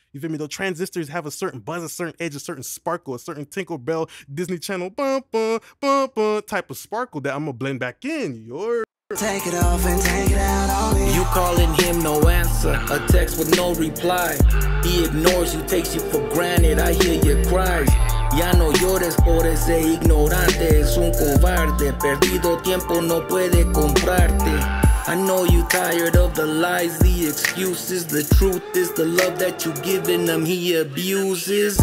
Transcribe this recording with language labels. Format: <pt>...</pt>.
<en>You feel me? The transistors have a certain buzz, a certain edge, a certain sparkle, a certain Tinkle Bell, Disney Channel, bum, bum, bum, bum, type of sparkle that I'm going to blend back in. Take it off and take it out on me. You calling him, no answer. A text with no reply. He ignores you, takes you for granted. I hear your cries.</en> <es>Ya no llores por ese ignorante. Es un cobarde. Perdido tiempo no puede comprarte.</es> <en>I know you tired of the lies, the excuses. The truth is the love that you giving him, he abuses.</en>